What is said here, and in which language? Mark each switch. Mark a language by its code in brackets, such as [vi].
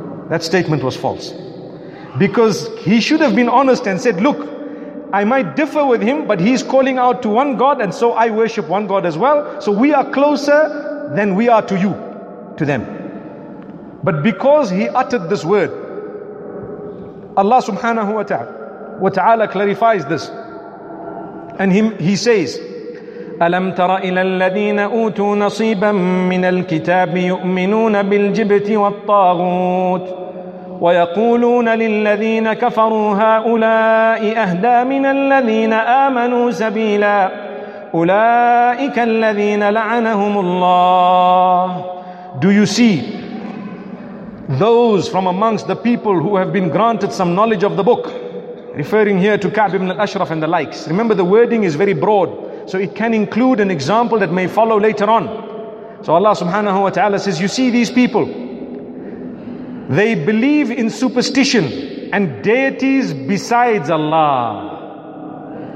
[en] That statement was false. Because he should have been honest and said, look, I might differ with him, but he's calling out to one God, and so I worship one God as well. So we are closer than we are to you, to them. But because he uttered this word, Allah subhanahu wa ta'ala clarifies this. And he says, [ar] أَلَمْ تَرَ إِلَى الَّذِينَ أُوتُوا نَصِيبًا مِّنَ الْكِتَابِ يُؤْمِنُونَ بِالْجِبْتِ وَالطَّاغُوتِ ويقولون للذين كفروا هؤلاء أهدى من الذين آمنوا سبيلا أولئك الذين لعنهم الله. [en] Do you see those from amongst the people who have been granted some knowledge of the book? Referring here to Ka'b ibn al-Ashraf and the likes. Remember, the wording is very broad, so it can include an example that may follow later on. So Allah subhanahu wa ta'ala says, you see these people, they believe in superstition and deities besides Allah.